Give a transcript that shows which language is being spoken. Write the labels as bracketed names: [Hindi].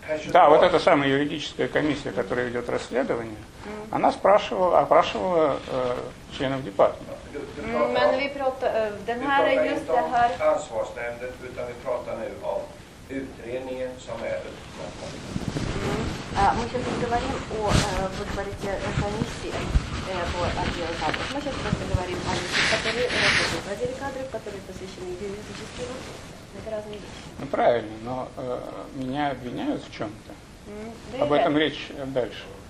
[Russian] Да, вот эта самая юридическая комиссия, которая ведет расследование, она опрашивала членов департамента. [Swedish] Men vi pratar den här är just det här ansvarsnämnden, utan vi pratar nu om utredningen som är [Russian] Мы сейчас говорим о вы говорите о комиссии по отделу кадров. Мы сейчас просто говорим о людях, которые работают в отделе кадров, которые посвящены юридическим вопросам. Ну правильно, но меня обвиняют в чем-то. Об этом речь дальше.